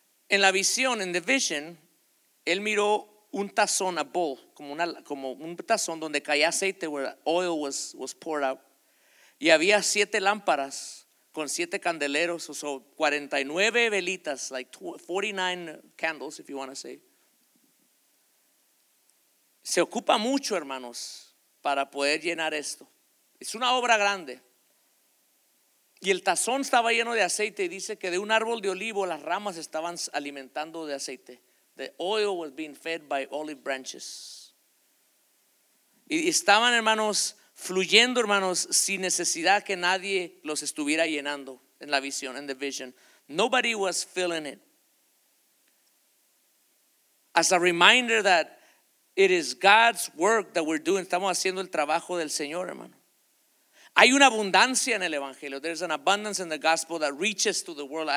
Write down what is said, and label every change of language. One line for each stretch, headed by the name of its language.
Spanish: En la visión, en
English: the vision,
Spanish: él miró un tazón,
English: a bowl,
Spanish: como, una, como un tazón donde caía aceite,
English: where oil was poured out,
Spanish: y había siete lámparas con siete candeleros, o so 49 velitas,
English: like 49 candles, if you want to say.
Spanish: Se ocupa mucho, hermanos, para poder llenar esto. Es una obra grande. Y el tazón estaba lleno de aceite, y dice que de un árbol de olivo las ramas estaban alimentando de aceite.
English: The oil was being fed by olive branches.
Spanish: Y estaban, hermanos, fluyendo, hermanos, sin necesidad que nadie los estuviera llenando en la visión, en
English: the vision. Nobody was filling it. As a reminder that it is God's work that we're doing.
Spanish: Estamos haciendo el trabajo del Señor, hermano. Hay una abundancia en el Evangelio.
English: There's an abundance in the gospel that reaches to the world.